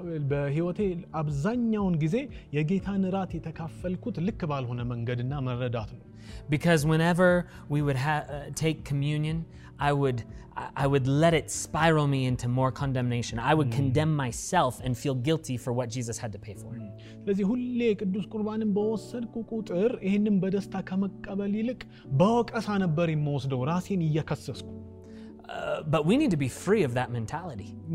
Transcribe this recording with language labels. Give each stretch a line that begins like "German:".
Amharic: በህይወቴ አብዛኛውን ጊዜ የጌታን ራት የተካፈልኩት ልክ ባልሆነ መንገድና መረዳት ነው.
English: Because whenever we would take communion, I would let it spiral me into more condemnation. I would condemn myself and feel guilty for what Jesus had to pay for.
Amharic: ስለዚህ ሁሌ ቅዱስ ቁርባንን በወሰድኩ ቁጥር ይሄንን በደስታ ከመቀበል ይልቅ በወቀሳ ነበር የምወስደው ራሴን እየከሰስኩ.
English: But we need to be free of that mentality.